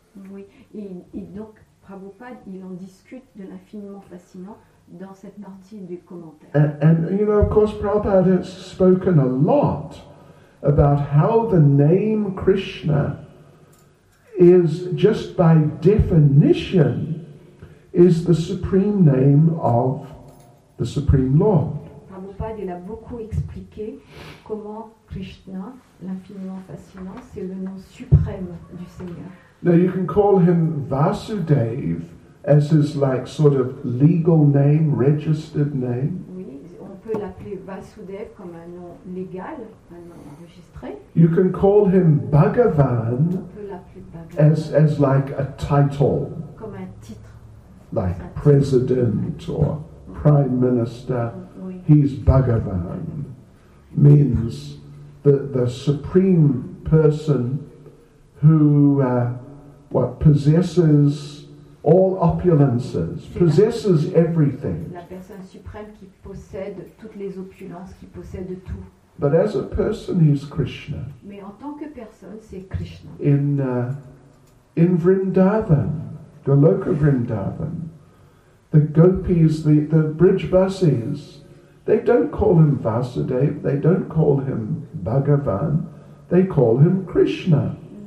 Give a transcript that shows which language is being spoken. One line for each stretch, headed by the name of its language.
French: Oui, et donc Prabhupada, il en discute de l'infiniment fascinant dans cette partie du commentaire.
English: And you know, of course, Prabhupada has spoken a lot about how the name Krishna is, just by definition, is the supreme name of the Supreme Lord.
French: Prabhupada, il a beaucoup expliqué comment Krishna, l'infiniment fascinant, c'est le nom suprême du Seigneur.
English: Now you can call him Vasudev as his like sort of legal name, registered name.
French: Oui, on peut l'appeler Vasudev comme un nom légal, un nom enregistré.
English: You can call him Bhagavan as like a title.
French: Comme un titre.
English: Like president or prime minister.
French: Oui.
English: He's Bhagavan. Means the supreme person who possesses all opulences, possesses everything.
French: La personne suprême qui possède toutes les opulences, qui possède tout.
English: But as a person, he's Krishna.
French: Mais en tant que personne, c'est Krishna.
English: In Vrindavan, Goloka Vrindavan, the gopis, the Brijbasis, they don't call him Vasudev, they don't call him Bhagavan, they call him Krishna.